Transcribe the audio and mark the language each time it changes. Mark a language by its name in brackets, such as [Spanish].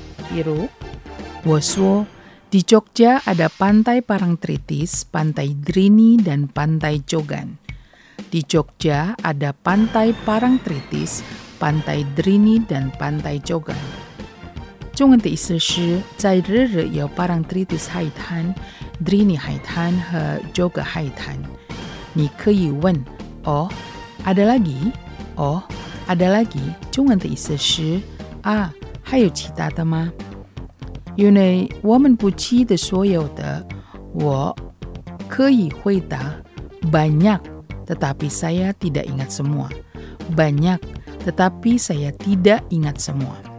[Chinese] 比如, 我说, [Indonesian] di Jogja ada pantai Parangtritis, pantai Drini, dan pantai Jogan. Di Jogja ada pantai Parangtritis, pantai Drini, dan pantai Jogan. [Chinese] 中文的意思是在日日有 Parangtritis 海滩, Drini 海滩 和 Joga 海滩. 你可以问, [Indonesian] oh, ada lagi? Oh, ada lagi? [Chinese] 中文的意思是, 啊, 还有其他的吗? 因为我们不记得所有的, 我可以回答, [Indonesian] banyak, tetapi saya tidak ingat semua. Banyak, tetapi saya tidak ingat semua.